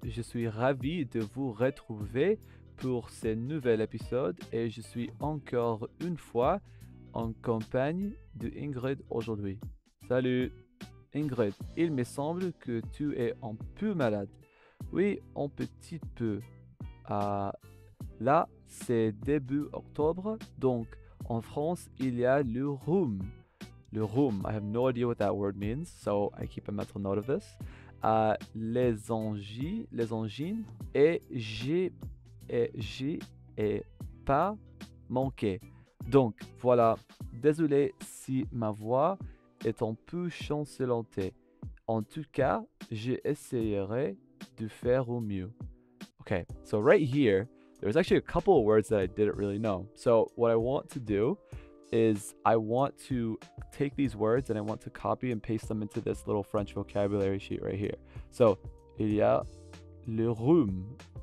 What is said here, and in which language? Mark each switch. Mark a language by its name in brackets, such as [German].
[French] Je suis ravi de vous retrouver pour ce nouvel épisode et je suis encore une fois en compagnie de Ingrid aujourd'hui. Salut Ingrid, il me semble que tu es un peu malade. Oui, un petit peu. Là, c'est début octobre, donc en France, il y a le rhume. Le rhume, [English] I have no idea what that word means, so I keep a mental note of this. [French] Les angines, et j'ai et pas manqué. Donc, voilà, désolé si ma voix est un peu chancelante. En tout cas, j'essaierai de faire au mieux. [English] Okay, so right here, there's actually a couple of words that I didn't really know. So what I want to do is I want to take these words and I want to copy and paste them into this little French vocabulary sheet right here. So, [French] il y a le rhume.